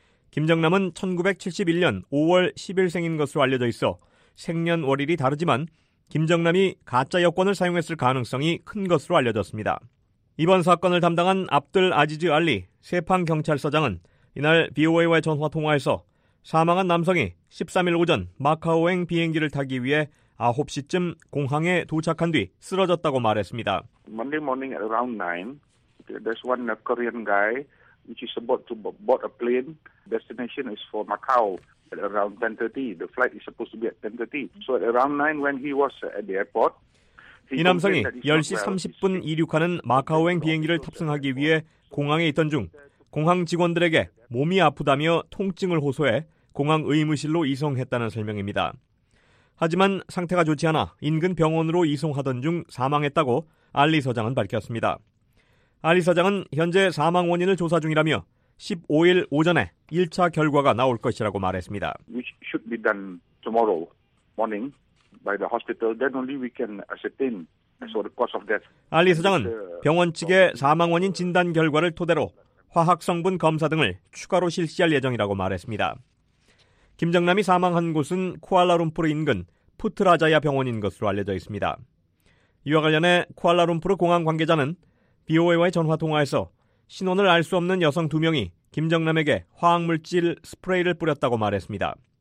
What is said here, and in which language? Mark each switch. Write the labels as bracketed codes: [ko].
[ko] 김정남은 1971년 5월 10일생인 것으로 알려져 있어 생년월일이 다르지만 김정남이 가짜 여권을 사용했을 가능성이 큰 것으로 알려졌습니다. 이번 사건을 담당한 압들 아지즈 알리 세팡경찰서장은 이날 BOA와의 전화통화에서 사망한 남성이 13일 오전 마카오행 비행기를 타기 위해 9시쯤 공항에 도착한 뒤 쓰러졌다고 말했습니다. [en] Monday morning at around 9, there's one Korean guy which is about to board a plane. Destination is for Macau. Around 10:30, the flight is supposed to be at 10:30. So at around 9 when he was at the airport, [ko] 이 남성이 10시 30분 이륙하는 마카오행 비행기를 탑승하기 위해 공항에 있던 중 공항 직원들에게 몸이 아프다며 통증을 호소해 공항 의무실로 이송했다는 설명입니다. 하지만 상태가 좋지 않아 인근 병원으로 이송하던 중 사망했다고 알리 서장은 밝혔습니다. 알리 서장은 현재 사망 원인을 조사 중이라며 15일 오전에 1차 결과가 나올 것이라고 말했습니다. [en] Which should be done tomorrow morning by the hospital. Then only we can ascertain as for the cause of death. [ko] 알리 서장은 병원 측의 사망 원인 진단 결과를 토대로 화학 성분 검사 등을 추가로 실시할 예정이라고 말했습니다. 김정남이 사망한 곳은 쿠알라룸푸르 인근 푸트라자야 병원인 것으로 알려져 있습니다. 이와 관련해 쿠알라룸푸르 공항 관계자는 BOA와의 전화 통화에서 신원을 알 수 없는 여성 두 명이 김정남에게 화학물질 스프레이를 뿌렸다고 말했습니다.